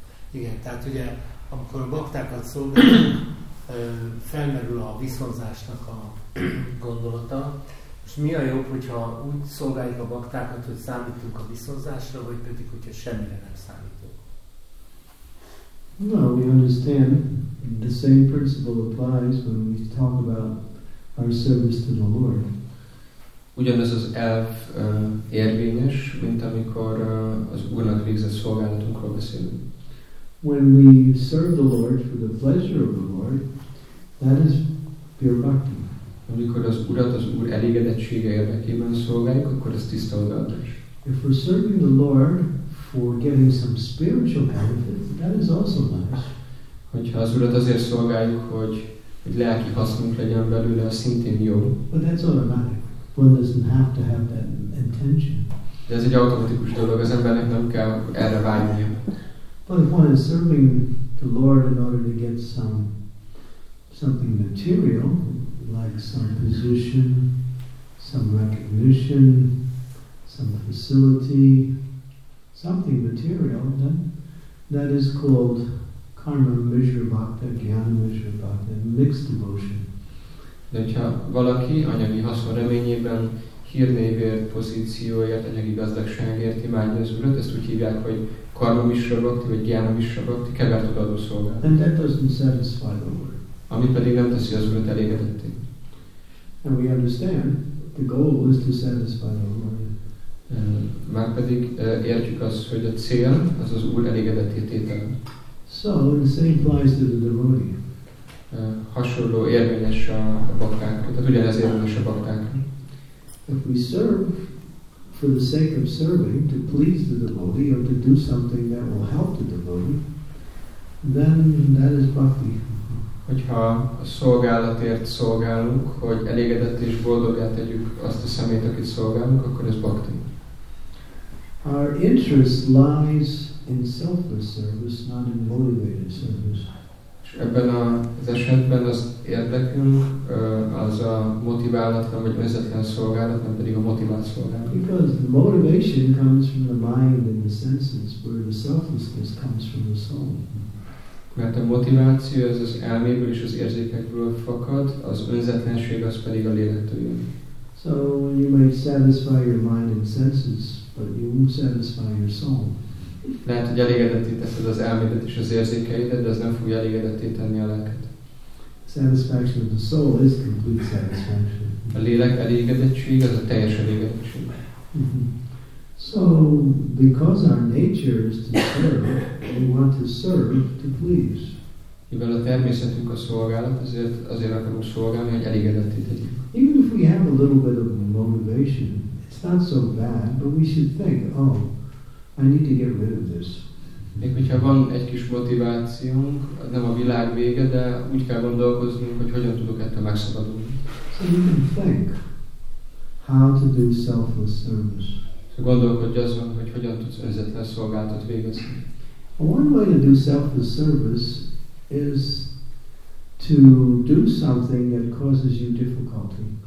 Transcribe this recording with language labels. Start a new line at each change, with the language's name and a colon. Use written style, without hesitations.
Hungarian: Igen, tehát ugye, amikor a baktákat szolgáljuk, felmerül a viszonzásnak a gondolata. És mi a jobb, hogyha úgy szolgáljuk a baktákat, hogy számítunk a viszonzásra, vagy pedig, hogyha semmire nem számítunk?
English: Well, we understand the same principle applies when we talk about our service to the Lord.
Hungarian: Ugyanez az elv érvényes, mint amikor az Úrnak végzett szolgálatunkról beszélünk.
English: When we serve the Lord for the pleasure of the Lord, that is pure bhakti.
Hungarian: Amikor az Urat az Úr elégedettsége érdekében szolgáljuk, akkor ez tiszta odaadás.
English: If we're serving the Lord for getting some spiritual benefit, that is also nice.
Hungarian: Hogyha az Urat azért szolgáljuk, hogy lelki hasznunk legyen belőle, az szintén jó.
English: But that's automatic. One doesn't have to have that intention.
Hungarian: De ez egy automatikus dolog, az embernek nem kell erre vágynia.
English: But if one is serving the Lord in order to get something material, like some position, some recognition, some facility, something material, then that is called karma measure bhakta, jnana measure bhakta, mixed devotion.
Hungarian: De hogyha valaki anyagi haszon reményében hírnévért, pozícióért, anyagi gazdagságért imádja az Urat, ezt úgy hívják, hogy karma misra bhakti, vagy jnana misra bhakti, kevert odaadó szolgálat.
English: And that doesn't satisfy the Lord.
Hungarian: Ami pedig nem teszi az Urat elégedetté.
English: And we understand the goal is to satisfy the Lord.
Hungarian: Már pedig értjük azt, hogy a cél az az Úr elégedetté tétele.
English: So the same applies to the devotee.
Hungarian: Hasonló érvényes a baktákra, tehát ugyanez érvényes a baktákra.
English: If we serve for the sake of serving, to please the devotee, or to do something that will help the devotee, then that is bhakti.
Hungarian: Hogyha a szolgálatért szolgálunk, hogy elégedett és boldoggá tegyük azt a szemét, akit szolgálunk, akkor ez bhakti.
English: Our interest lies in selfless service, not in motivated service.
Hungarian: És ebben az esetben az érdekünk az a motiválatlan vagy önzetlen szolgálat, nem pedig a motivált szolgálat.
English: Because the motivation comes from the mind and the senses, where the selflessness comes from the soul.
Hungarian: Mert a motiváció az az elméből és az érzékekből fakad, az önzetlenség az pedig a lélektől jön.
English: So you may satisfy your mind and senses, but you won't satisfy your soul.
Hungarian: Lehet, hogy elégedetté teszed az elmédet és az érzékeidet, de ez nem fogja elégedetté tenni a lelket.
English: Satisfaction of the soul is complete satisfaction.
Hungarian: A lélek elégedettség az a teljes elégedettség.
English: So, because our nature is to serve, we want to serve to please.
Hungarian: Mivel a természetünk a szolgálat, azért akarunk szolgálni, hogy elégedetté tegyük.
English: Even if we have a little bit of motivation, it's not so bad, but we should think, oh, I need to get rid of this.
Hungarian: Még hogyha van egy kis motivációnk, az nem a világ vége, de úgy kell gondolkoznunk, hogy hogyan tudok ettől megszabadulni.
English: So you can think how to do selfless service.
Hungarian: Gondolkodj azon, hogy hogyan tudsz önzetlen szolgálatot végezni.
English: One way to do selfless service is to do something that causes you difficulty.